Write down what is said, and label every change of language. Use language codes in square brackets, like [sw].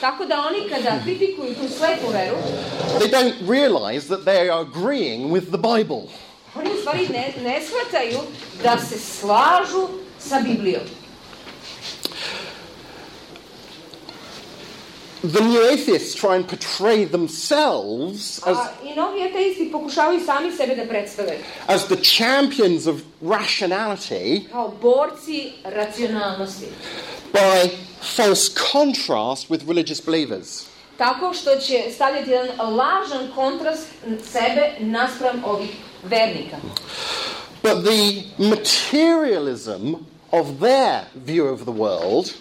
[sr] tako da oni kada kritikuju tu slepu veru, [en] they don't realize that they are agreeing with the Bible. [sr] Oni u stvari ne shvataju da se slažu sa Biblijom. [en] The new atheists try and portray themselves as [sr] I novi ateisti pokušavaju sami sebe da predstave [en] as the champions of rationality [sr] kao borci racionalnosti [en] by false contrast with religious believers. [sr] Tako što će stavljati jedan lažan kontrast sebe naspram ovih vernika. [en] But the materialism of their view of the world